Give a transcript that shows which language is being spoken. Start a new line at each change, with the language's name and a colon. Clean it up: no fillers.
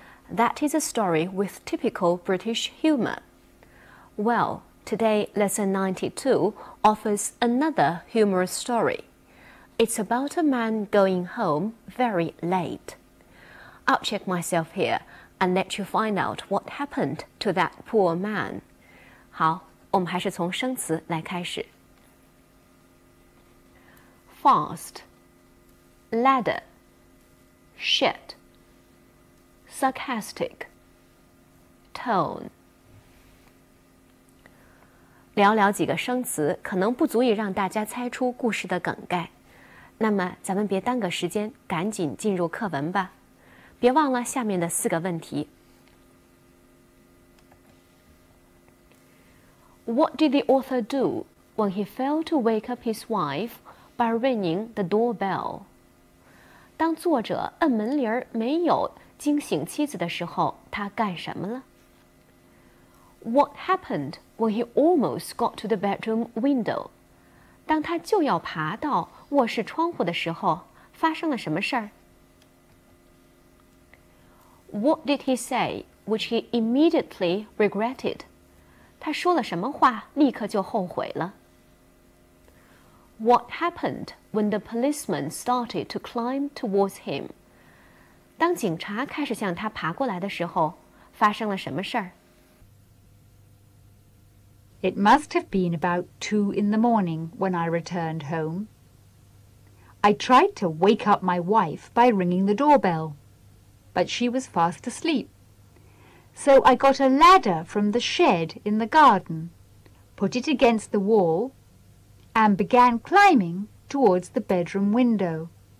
English: That is a story with typical British humour. Well, today lesson 92 offers another humorous story. It's about a man going home very late. I'll check myself here and let you find out what happened to that poor man.
Chinese: 好，我们还是从生词来开始。
English: Fast, ladder, shit, sarcastic, tone.
Chinese: 聊聊几个生词，可能不足以让大家猜出故事的梗概。那么，咱们别耽搁时间，赶紧进入课文吧。别忘了下面的四个问题。
English: What did the author do when he failed to wake up his wife? By ringing the doorbell.
Chinese: 当作者按门铃没有惊醒妻子的时候，他干什么了？
English: What happened when he almost got to the bedroom window?
Chinese: 当他就要爬到卧室窗户的时候，发生了什么事儿？
English: What did he say, which he immediately regretted?
Chinese: 他说了什么话，立刻就后悔了？
English: What happened when the policeman started to climb towards him?
Chinese: 当警察开始向他爬过来的时候，发生了什么事儿？
English: It must have been about 2 in the morning when I returned home. I tried to wake up my wife by ringing the doorbell, but she was fast asleep. So I got a ladder from the shed in the garden, put it against the wall,and began climbing towards the bedroom window.